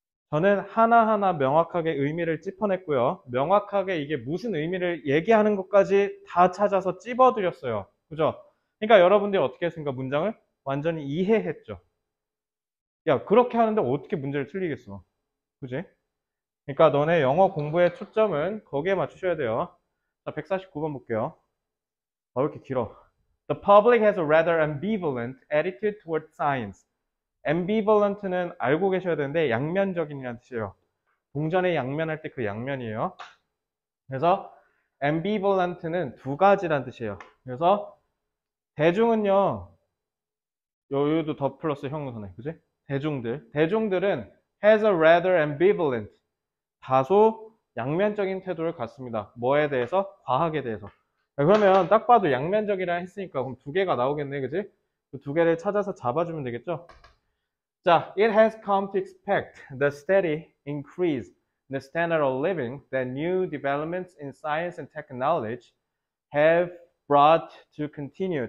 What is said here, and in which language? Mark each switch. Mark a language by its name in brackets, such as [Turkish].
[Korean] 저는 하나하나 명확하게 의미를 짚어냈고요. 명확하게 이게 무슨 의미를 얘기하는 것까지 다 찾아서 찝어드렸어요. 그죠? 그러니까 여러분들이 어떻게 했습니까? 문장을 완전히 이해했죠. 야, 그렇게 하는데 어떻게 문제를 틀리겠어? 그지? 그러니까 너네 영어 공부의 초점은 거기에 맞추셔야 돼요. 자, 149번 볼게요. 왜 이렇게 길어? [English] The public has a rather ambivalent attitude towards science. [Korean] Ambivalent는 알고 계셔야 되는데 양면적인이라는 뜻이에요. 동전의 양면 할때그 양면이에요. 그래서 ambivalent는 두 가지란 뜻이에요. 그래서 대중은요, 여유도 더 플러스 형용사네, 그지? 대중들은 [English] has a rather ambivalent, [Korean] 다소 양면적인 태도를 갖습니다. 뭐에 대해서? 과학에 대해서. 그러면 딱 봐도 양면적이라 했으니까 그럼 두 개가 나오겠네, 그지? 그두 개를 찾아서 잡아주면 되겠죠? [English] 자, it has come to expect the steady increase in the standard of living that new developments in science and technology have brought to continue.